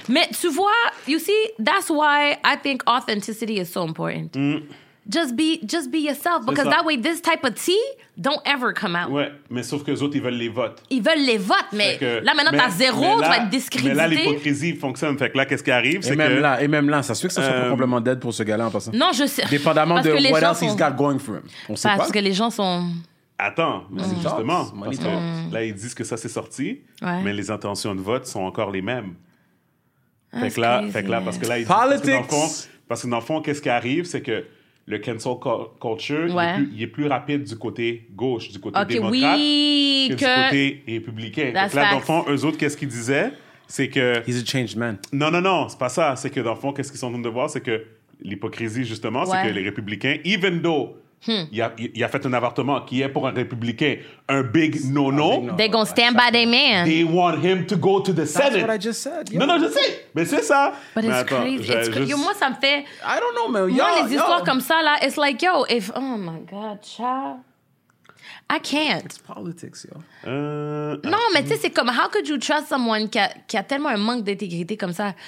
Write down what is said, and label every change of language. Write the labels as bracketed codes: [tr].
[fr] Mais tu vois, [en] you see, that's why I think authenticity is so important. Mm. Just be yourself. Because that way, this type of tea don't ever come out. [fr] Ouais, mais sauf qu'eux autres, ils veulent les votes. Ils veulent les votes, mais que, là, maintenant, t'as zéro, là, tu vas être discrédité. Mais là, l'hypocrisie fonctionne. Fait que là, qu'est-ce qui arrive? Et même là, ça se fait que ça soit pas complètement dead pour ce gars-là en passant. Non, je sais. Dépendamment de [en] what else he's got going for him. [fr] On sait pas. Parce que les gens sont... Attends, mais c'est justement, parce que là, ils disent que ça, c'est sorti, mais les intentions de vote sont encore les mêmes. [en] That's [fr] fait que là, parce que là, ils disent, parce que dans le fond, qu'est-ce qui arrive, c'est que le cancel culture, ouais, il est plus rapide du côté gauche, du côté démocrate, oui, que du côté républicain. Donc là, dans le fond, eux autres, qu'est-ce qu'ils disaient? C'est que... [en] He's a changed man. [fr] Non, c'est pas ça. C'est que dans le fond, qu'est-ce qu'ils sont en train de voir? C'est que l'hypocrisie, justement, ouais, c'est que les républicains, [en] even though [fr] il a fait un avortement qui est pour un républicain un big no-no, [en] they're gonna stand by their man. They want him to go to the Senate. That's what I just said. [fr] Yeah. Non, je sais. Mais c'est ça. [en] But [fr] mais [en] it's [fr] attends, [en] crazy. It's [fr] moi, ça me fait... [en] I don't know, man. [fr] Moi, [en] y'all, [fr] les histoires y'all comme ça, là, [en] it's like, yo, if... Oh, my God, child. I can't. It's politics, yo. [fr] Non, mais tu sais, c'est comme, [en] how could you trust someone [fr] qui a tellement un manque d'intégrité comme ça?